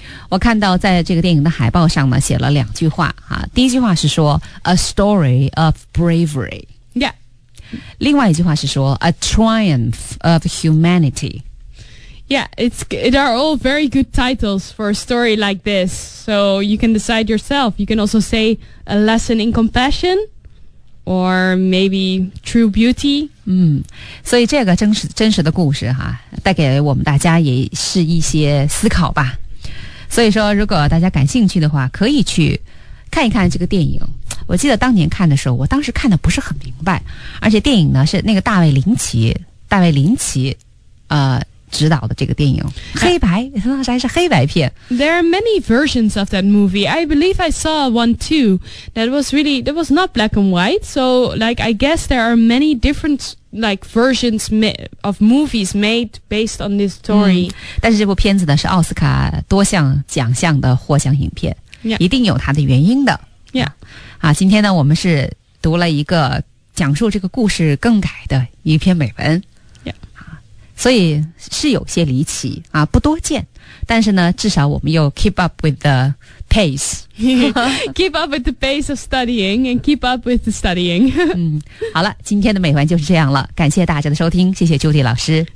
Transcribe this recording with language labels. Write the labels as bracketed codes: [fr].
[zh] 我看到在这个电影的海报上呢，写了两句话啊。第一句话是说 [en] A story of bravery. Yeah. [zh] 另外一句话是说 [en] A triumph of humanity. Yeah, it are all very good titles for a story like this. So you can decide yourself. You can also say A lesson in compassion or maybe True beauty. [zh] 所以这个真实的故事啊，带给我们大家也是一些思考吧。所以说如果大家感兴趣的话，可以去看一看这个电影。我记得当年看的时候，我当时看的不是很明白，而且电影呢是那个大卫林奇指导的这个电影，黑白，当时还是黑白片。 [en] There are many versions of that movie. I believe I saw one too that was not black and white, so like I guess there are many different like versions of movies made based on this story. [zh] 但是这部片子呢是奥斯卡多项奖项的获奖影片、 [en] yeah. [zh] 一定有它的原因的。 [en] Yeah. [zh] 啊，今天呢我们是读了一个讲述这个故事更改的一篇美文。所以是有些离奇啊，不多见，但是呢至少我们又 [en] keep up with the pace. Keep up with the pace of studying and keep up with the studying. [zh] 好了，今天的美文就是这样了，感谢大家的收听，谢谢 Judy 老师。